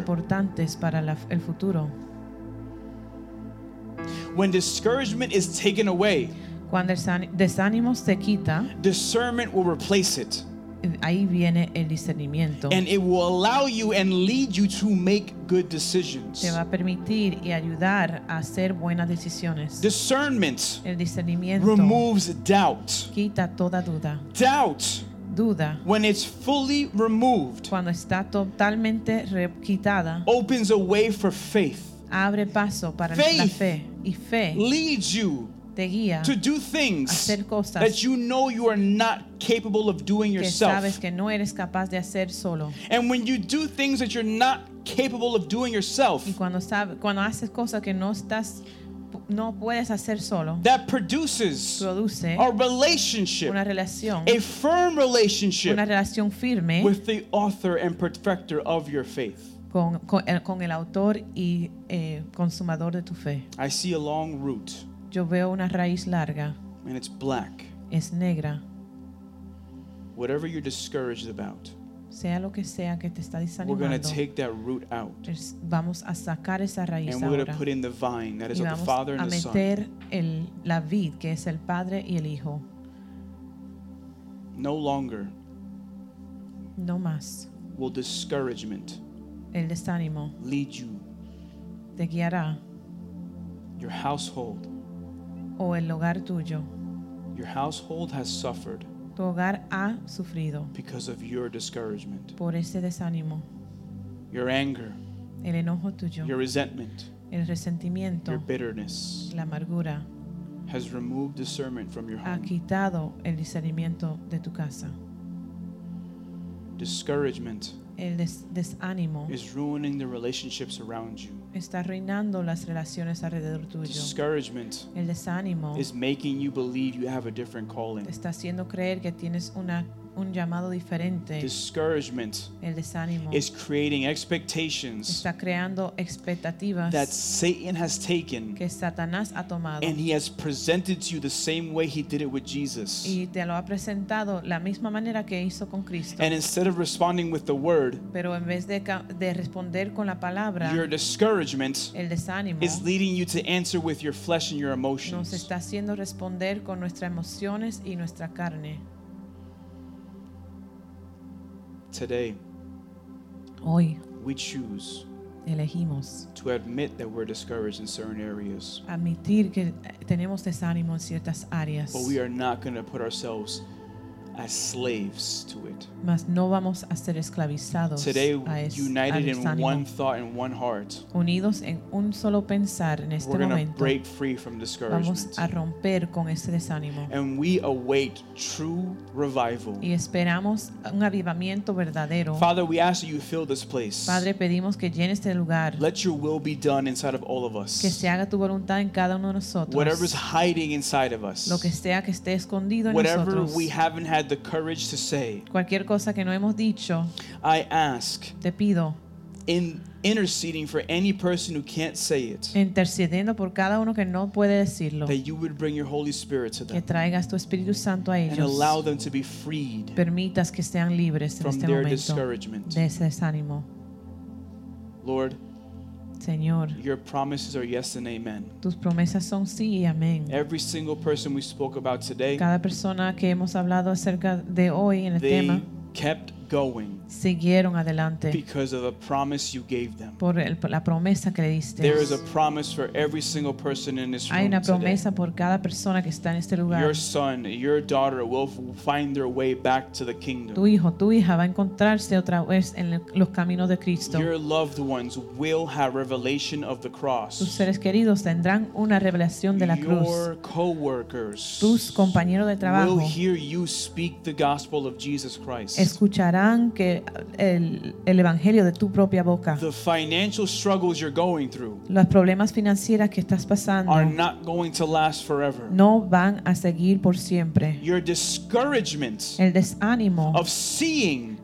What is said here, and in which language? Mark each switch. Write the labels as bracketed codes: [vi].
[es] Importantes para el futuro. [en] When discouragement is taken away, [es] cuando el desánimo se quita, [en] discernment will replace it. [es] Ahí viene el discernimiento. [en] And it will allow you and lead you to make good decisions. [es] Te va a permitir y ayudar a hacer buenas decisiones. [en] Discernment [es] el discernimiento [en] removes doubt. [es] Quita toda duda. [en] Doubt. [es] Duda, [en] when it's fully removed, [es] cuando está totalmente quitada, [en] opens a way for faith. [es] Abre paso para [en] faith [es] la fe. Y fe [en] leads you [es] te guía [en] to do things [es] hacer cosas [en] that you know you are not capable of doing [es] que [en] yourself. [es] Sabes que no eres capaz de hacer solo. [en] And when you do things that you're not capable of doing yourself, [es] cuando haces cosas que no puedes hacer solo, [en] that produce a relationship, [es] una relación, [en] a firm relationship, [es] una relación firme, [en] with the author and perfecter of your faith. [es] Con el autor y consumador de tu fe. [en] I see a long root. [es] Yo veo una raíz larga. [en] And it's black. [es] Es negra. [en] Whatever you're discouraged about. [es] Sea lo que sea que te está desanimando. [en] We're going to take that root out. [es] Vamos a sacar esa raíz ahora. [en] And we're going to put in the vine that is of the Father and the Son. [es] A meter la vid que es el Padre y el Hijo. [en] No longer. [es] No más. [en] Will discouragement. [es] El desánimo [en] lead you [es] te guiará [en] your household [es] o el hogar tuyo [en] your household has suffered [es] tu hogar ha sufrido [en] because of your discouragement [es] por ese desánimo [en] your anger [es] el enojo tuyo, [en] your resentment, [es] el resentimiento, [en] your bitterness, [es] la amargura, [en] has removed discernment from your home. [es] Ha quitado el discernimiento de tu casa. [en] Discouragement, [es] el desánimo, [en] is ruining the relationships around you. [es] Está arruinando las relaciones alrededor tuyo. [en] Discouragement, [es] el desánimo, [en] is making you believe you have a different calling. [es] Está haciendo creer que tienes un llamado diferente. [en] Discouragement, [es] el desánimo, [en] is creating expectations, [es] está creando expectativas, [en] that Satan has taken, [es] que Satanás ha tomado, [en] and he has presented to you the same way he did it with Jesus, [es] y te lo ha presentado la misma manera que hizo con Cristo. [en] And instead of responding with the word, [es] pero en vez de responder con la palabra, [en] your discouragement, [es] el desánimo, [en] is leading you to answer with your flesh and your emotions, [es] nos está haciendo responder con nuestras emociones y nuestra carne. [en] Today, [es] hoy, [en] we choose, [es] elegimos, [en] to admit that we're discouraged in certain areas. [es] Admitir que tenemos desánimo en ciertas áreas. [en] But we are not going to put ourselves as slaves to it. [es] Mas no vamos a ser esclavizados. [en] Today, [es] a [en] united in one thought and one heart, [es] unidos en un solo pensar en este [en] we're [es] momento, [en] break free from discouragement. [es] Vamos a romper con ese desánimo. [en] And we await true revival. [es] Y esperamos un avivamiento verdadero. [en] Father, we ask that you fill this place. [es] Padre, pedimos que llene este lugar. [en] Let your will be done inside of all of us. [es] Que se haga tu voluntad en cada uno de nosotros. [en] Whatever is hiding inside of us. [es] Lo que sea que esté escondido en [en] whatever [es] nosotros. [en] Whatever we haven't had the courage to say. [es] Cualquier cosa que no hemos dicho. [en] I ask. [es] Te pido. [en] In interceding for any person who can't say it. [es] Intercediendo por cada uno que no puede decirlo. [en] That you would bring your Holy Spirit to them. [es] Que traigas tu Espíritu Santo a ellos. [en] And allow them to be freed. [es] Permitas que sean libres [en] from [es] en este momento. [en] Their discouragement. [es] De ese desánimo. [en] Lord. [es] Señor, [en] your promises are yes and amen. [es] Tus promesas son sí y amén. [en] Every single person we spoke about today, [es] cada persona que hemos hablado acerca de hoy en el [en] they [es] tema, [en] kept going, [es] siguieron adelante, [en] because of a promise you gave them. [es] Por la promesa que le diste. [en] There is a promise for every single person in this room. [es] Hay una promesa [en] today [es] por cada persona que está en este lugar. [en] Your son, your daughter will find their way back to the kingdom. [es] Tu hijo, tu hija va a encontrarse otra vez en los caminos de Cristo. [en] Your loved ones will have revelation of the cross. [es] Tus seres queridos tendrán una revelación de la [en] your [es] cruz. [en] Your coworkers, [es] tus compañeros de trabajo, [en] will hear you speak the gospel of Jesus Christ. [es] Escucharán que el evangelio de tu propia boca. [en] The financial struggles you're going through, [es] los problemas financieros que estás pasando, [en] are not going to last forever. [es] No van a seguir por siempre. [en] Your discouragement, [es] el desánimo, [en] of seeing,